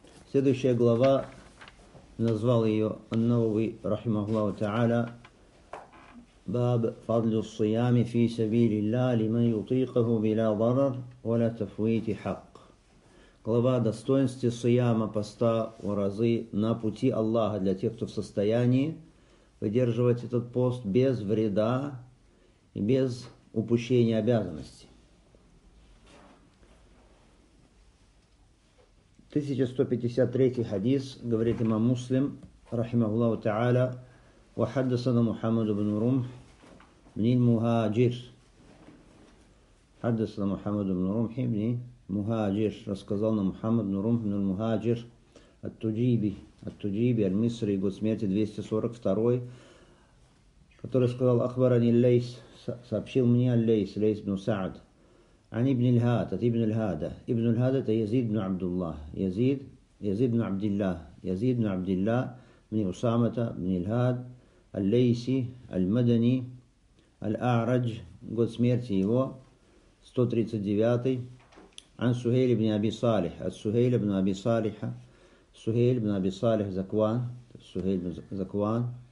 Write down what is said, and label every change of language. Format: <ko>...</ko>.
<ru>Следующая глава, назвал ее Ан-Науви рахимахуллаху тааля «Баб фадлю сиями фи сабилилля лиман йутикаху биля дарар валя тафвити хак». Глава достоинства сияма, поста, уразы на пути Аллаха для тех, кто в состоянии выдерживать этот пост без вреда и без упущения обязанностей. 1153 хадис, говорит имам Муслим, рахимахуллаху тааля, «Ва хаддасана Мухаммад ибн Румх, бниль Мухаджир». «Хаддасана Мухаммад ибн Румх, бниль Мухаджир». Рассказал нам Мухаммад ибн Румх, бниль Мухаджир, ат-Туджиби, аль-Мисри, год смерти 242, который сказал, «Ахбарани Лейс», сообщил мне Лейс, Лейс ибн Саад.</ru> <ar>عن ابن الهاد ابن الهادة ابن الهادة يزيد بن عبد الله يزيد بن عبد الله يزيد بن عبد الله بن أسامة بن الهاد الليسي المدني الأعرج</ar> <ru>год смерти его</ru> <ar>139 عن سهيل بن أبي صالح السهيل بن أبي صالح سهيل بن أبي صالح زكوان سهيل بن زكوان</ar>